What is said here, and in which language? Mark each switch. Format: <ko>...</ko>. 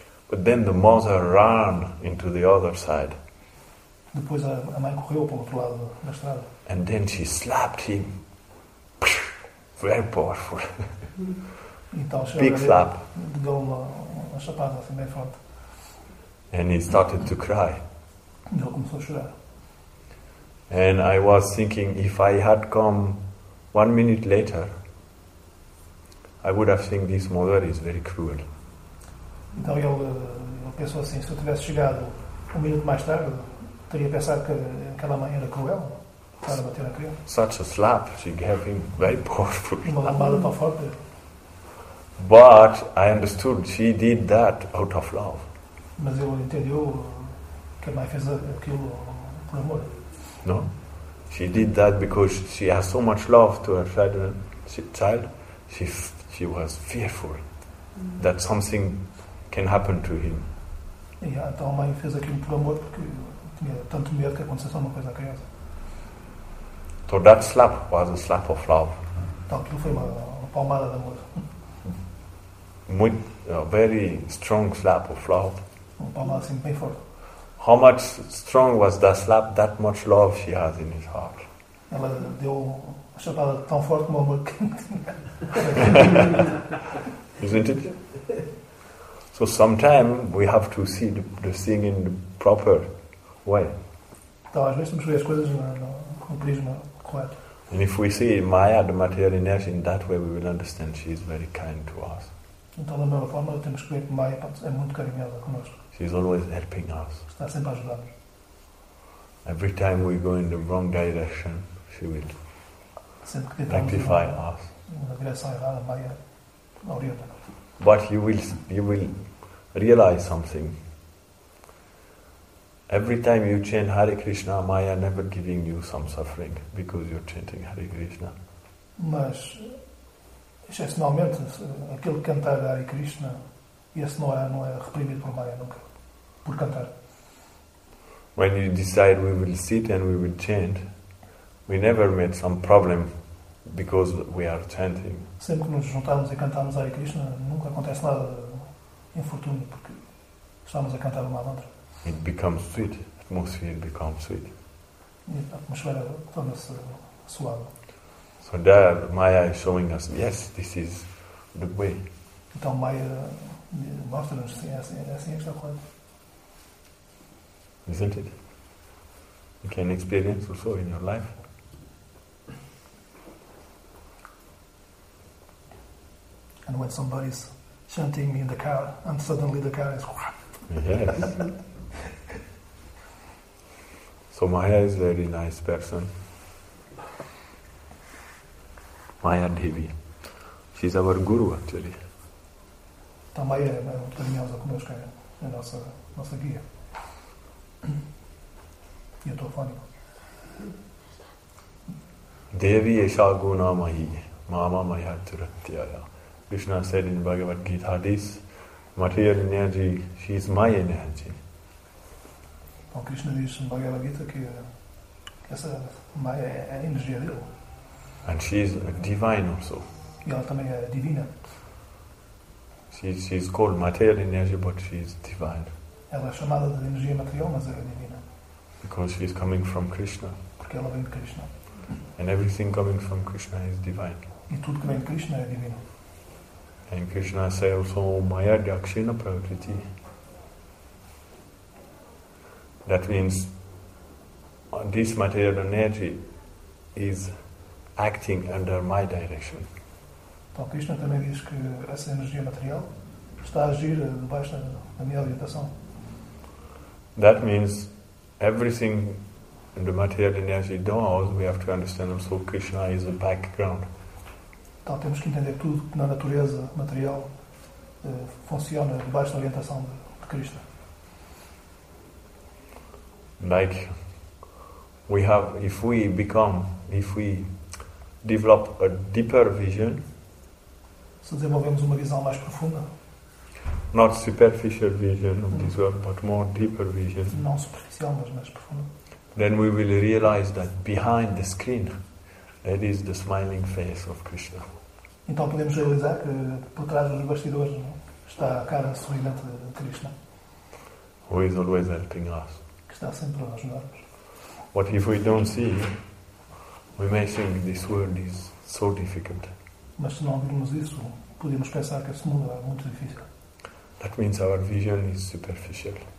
<en>But then the mother ran into the other side.</en> <pt>Depois a mãe correu para o outro lado da estrada.</pt> <en>And then she slapped him. Very powerful.</en> <pt>Então,</pt> <en>big slap.</en> <pt>Deu uma chapada assim bem forte.</pt> <en>And he started to cry.</en> <pt>E ele começou a chorar.</pt> <en>And I was thinking, if I had come 1 minute later, I would have think this mother is very cruel.</en> <pt>Então ele pensou assim, se eu tivesse chegado 1</pt> <en>minute</en> <pt>mais tarde, teria pensado que aquela mãe era cruel para bater na criança.</pt> <en>Such a slap she gave him, very powerful.</en> <pt>Uma lambada tão forte.</pt> <en>But I understood she did that out of love.</en> <pt>Mas ele entendeu que a mãe fez aquilo por amor.</pt> <en>No, she did that because she has so much love to her child. She was fearful that something can happen to him.</en> <pt>Então a mãe fez aquilo por amor porque tinha tanto medo que acontecesse alguma coisa à criança.</pt> <en>So that slap was a slap of love.</en> <pt>Então aquilo foi uma palmada de amor.</pt> <en>A very strong slap of love.</en> <pt>Uma palmada assim bem forte.</pt> <en>How much strong was that slap, that much love she has in his heart.</en> <pt>Ela deu uma chapada tão forte como a mãe que tinha.</pt> <en>Isn't it? So sometimes we have to see the thing in the proper way.</en> <pt>Então às vezes temos que ver as coisas no prisma correto.</pt> <en>And if we see Maya, the material energy, in that way we will understand she is very kind to us.</en> <pt>Então da mesma forma temos que ver que Maya é muito carinhosa conosco.</pt> <en>She's always helping us.</en> <pt>Está sempre a ajudar-nos.</pt> <en>Every time we go in the wrong direction, she will rectify us.</en> <pt>Na direção errada, Maya orienta-nos.</pt> <en>But you will realize something. Every time you chant Hare Krishna, Maya never giving you some suffering because you're chanting Hare Krishna.</en> <pt>Mas, excepcionalmente, aquele que cantar Hare Krishna, esse não é reprimido por Maya nunca.</pt> <en>When you decide we will sit and we will chant, we never made some problem because we are chanting.</en> <pt>Sempre que nos juntamos e cantamos Hare Krishna, nunca acontece nada infortúnio porque estamos a cantar uma mantra.</pt> <en>It becomes sweet. Atmosphere becomes sweet.</en> <pt>E a atmosfera torna-se suave.</pt> <en>So there, Maya is showing us, yes, this is the way.</en> <pt>Então Maya mostra-nos assim, assim esta coisa.</pt> <en>Isn't it? You can experience also in your life. And when somebody's chanting me in the car and suddenly the car is So Maya is a very nice person. Maya Devi. She's our guru actually.</en> <pt>Então Maya é muito carinhosa conosco, é a nossa guia. E eu tô fônico.</pt> <sa>Devi Eshaguna Mahi Mama Maya Turatyaya.</sa> <en>Krishna said in Bhagavad Gita this material energy, she is my energy.</en> <pt>Então Krishna diz em Bhagavad Gita que essa Maya é a energia dele.</pt> <en>And she is divine also.</en> <pt>E ela também é divina.</pt> <en>She is called material energy, but she is divine.</en> <pt>Ela é chamada de energia material, mas ela é divina.</pt> <en>Because she is coming from Krishna.</en> <pt>Porque ela vem de Krishna.</pt> <en>And everything coming from Krishna is divine.</en> <pt>E tudo que vem de Krishna é divino.</pt> <en>And Krishna says also,</en> <sa>Maya Dakshina Prakriti.</sa> <en>That means this material energy is acting under my direction.</en> <pt>Então Krishna também diz que essa energia material está a agir debaixo da minha orientação.</pt> <en>That means everything in the material energy does, we have to understand also Krishna is a background.</en> <pt>Então temos que entender tudo que na natureza material funciona debaixo da orientação de Krishna.</pt> <en>Like we have, if we develop a deeper vision.</en> <pt>Se desenvolvemos uma visão mais profunda.</pt> <en>Not superficial vision of this world, but more deeper vision.</en> <pt>Não superficial, mas mais profunda.</pt> <en>Then we will realize that behind the screen, that is the smiling face of Krishna.</en> <pt>Então podemos realizar que por trás dos bastidores está a cara sorridente de Krishna.</pt> <en>Who is always helping us.</en> <pt>Que está sempre a ajudar-nos.</pt> <en>What if we don't see? We may think this world is so difficult.</en> <pt>Mas se não virmos isso, podemos pensar que esse mundo é muito difícil.</pt> <en>That means our vision is superficial.</en>